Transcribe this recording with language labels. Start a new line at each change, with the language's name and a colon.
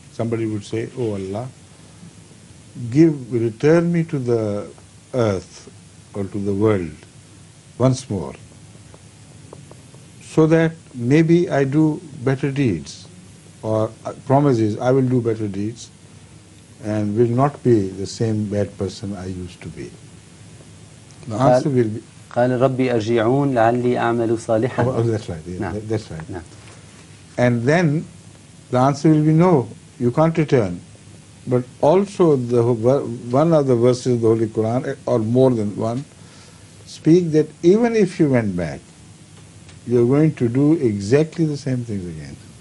English: Somebody would say, O Allah, return me to the earth or to the world once more, so that maybe I do better deeds, or promises I will do better deeds and will not be the same bad person I used to be. The answer will be,
Arabic: قال ربي أرجعون لعلي أعمل صالحا.
English: That's right. And then the answer will be no, you can't return. But also the one of the verses of the Holy Quran, or more than one, speak that even if you went back, you're going to do exactly the same things again.